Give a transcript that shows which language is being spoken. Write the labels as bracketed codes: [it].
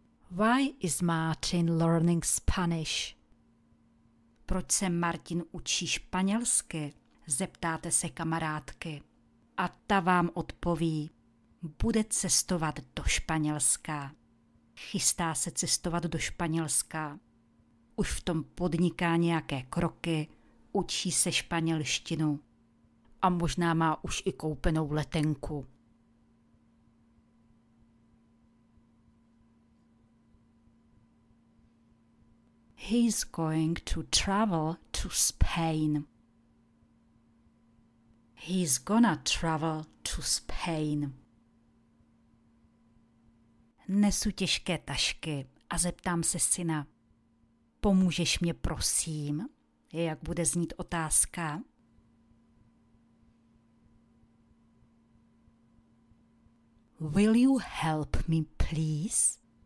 [en] Why is Martin learning Spanish? [cs] Proč se Martin učí španělsky? Zeptáte se kamarádky. A ta vám odpoví. Bude cestovat do Španělska. Chystá se cestovat do Španělska. Už v tom podniká nějaké kroky, učí se španělštinu. A možná má už i koupenou letenku. [en] He's going to travel to Spain. He's gonna travel to Spain. [cs] Nesu těžké tašky a zeptám se syna. Pomůžeš mě prosím? Jak bude znít otázka? [en] Will you help me, please?